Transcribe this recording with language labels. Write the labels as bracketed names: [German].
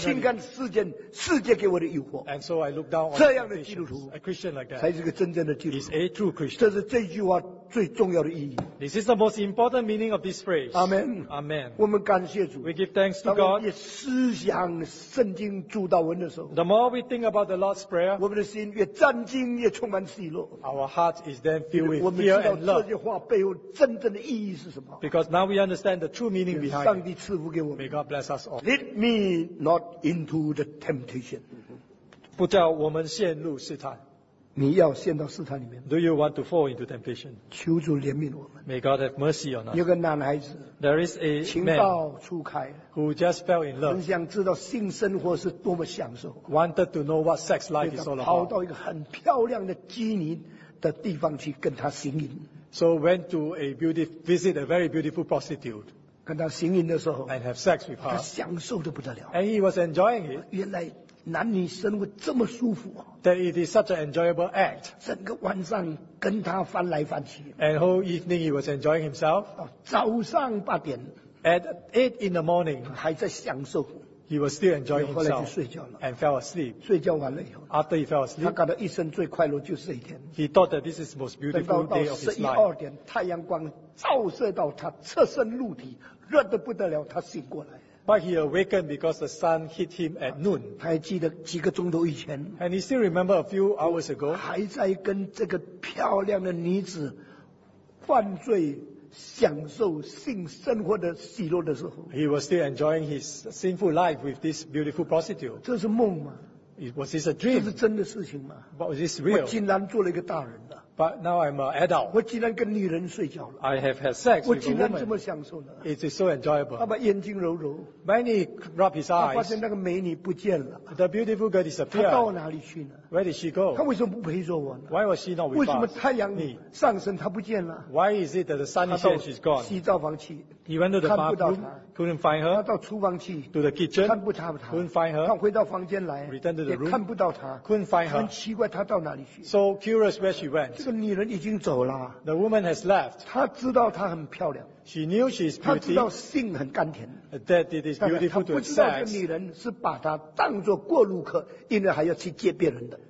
[Chinese] 轻看世间，世界给我的诱惑。 [English] And so I look down on [Chinese] 这样的基督徒 [English] ，a Christian like that， [Chinese] 才是个真正的基督徒。 [English] Is a true Christian. [Chinese] 这是这句话最重要的意义。 [English] This is the most important meaning of this phrase. Amen. Amen. [Chinese] 我们感谢主。 [English] We give thanks to God. [Chinese] 当我们思想圣经主道文的时候 [English] ，The more we think about the Lord's Prayer， [Chinese] 我们的心越战惊，越充满喜乐。 [English] Our heart is then filled with fear and love. [Chinese] 我们知道这句话背后真正的意义是什么 [English] ？Because now we understand the true meaning behind. [Chinese] 上帝赐福。 [English] May God bless us all. Lead me not into the temptation. [Chinese] 不叫我们陷入试探。你要陷到试探里面。 [English] Do you want to fall into temptation? [Chinese] 求主怜悯我们。 [English] May God have mercy on us. [Chinese] 有个男孩子。 [English] There is a man. [Chinese] 情窦初开。 [English] Who just fell in love. [Chinese] 很想知道性生活是多么享受。 [English] Wanted to know what sex life is all about. [Chinese] 跑到一个很漂亮的妓女的地方去跟她行淫。 [English] So went to a beautiful visit a very beautiful prostitute. [Chinese] 跟他行淫的时候 [English] and have sex with her. [Chinese] 他享受得不得了 [English] and he was enjoying it. [Chinese] 原来男女生活这么舒服、啊、 [English] that it is such an enjoyable act. [Chinese] 整个晚上跟他翻来翻去 [English] and whole evening he was enjoying himself. [Chinese] 早上八点 [English] at 8 in the morning [Chinese] 还在享受 [English] he was still enjoying himself. [Chinese] 后来就睡觉了 [English] and fell asleep. [Chinese] 睡觉完了以后 [English] after he fell asleep. [Chinese] 他感到一生最快乐就是这一天 [English] he thought that this is the most beautiful day of his life. [Chinese] 等到11、12点太阳光照射到他侧身露体热得不得了，他醒过来。 [English] But he awakened because the sun hit him at noon. [Chinese] 他还记得几个钟头以前。 [English] And he still remember a few hours ago. [Chinese] 还在跟这个漂亮的女子犯罪、享受性生活的喜乐的时候。 [English] He was still enjoying his sinful life with this beautiful prostitute. [Chinese] 这是梦吗 [English] ？Was this a dream? [Chinese] 这是真的事情吗 [English] ？But was this real? [Chinese] 我竟然做了一个大人了。 [English] But now I'm an adult. [Chinese] 我竟然跟女人睡觉了。 [English] I have had sex with a woman. [Chinese] 我竟然这么享受了。 [English] It is so enjoyable. [Chinese] 他把眼睛揉揉。 [English] Many rub his eyes. [Chinese] 他发现那个美女不见了。 [English] The beautiful girl disappeared. [Chinese] 她到哪里去呢 [English] ？Where did she go? [Chinese] 她为什么不陪着我呢 [English] ？Why was she not with us? [Chinese] 为什么太阳上升她不见了 [English] ？Why is it that the sun set she's gone? [Chinese] 洗澡房去。 [English] He went to the bathroom, couldn't find her. [Chinese] 他到厨房去, [English] to the kitchen, [Chinese] 看不到他, [English] couldn't find her. [Chinese] 他回到房间来, [English] returned to the room, [Chinese] 也看不到他, [English] couldn't find her. [Chinese] 很奇怪他到哪里去? [English] So curious where she went. [Chinese] 这个女人已经走了, [English] the woman has left. [Chinese] 她知道她很漂亮, [English] she knew she is beauty. [Chinese] 她知道性很甘甜, [English] that it is beautiful to sex. [Chinese] 她不知道这个女人是把她当作过路客, 因为还要去接别人的。